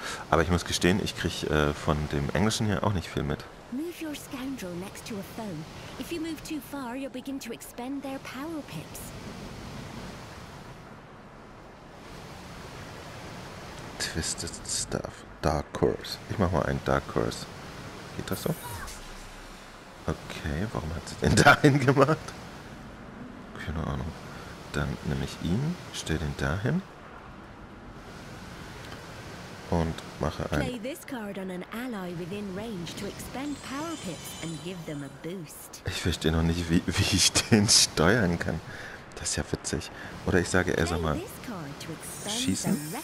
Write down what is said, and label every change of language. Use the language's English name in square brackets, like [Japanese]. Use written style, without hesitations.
[German] Aber ich muss gestehen, ich kriege von dem Englischen hier auch nicht viel mit. [English] Move your scoundrel next to a foe. If you move too far, you'll begin to expend their power pips. Twisted stuff. [German] Dark Course. Ich mach mal einen Dark Course. Geht das so? Okay, warum hat sie den dahin gemacht? Keine Ahnung. Dann nehme ich ihn, stell den dahin und mache ein. [English] Play this card on an ally within range to expend power pips and give them a boost. [German] Ich verstehe noch nicht, wie ich den steuern kann. Das ist ja witzig. Oder ich sage erst einmal schießen.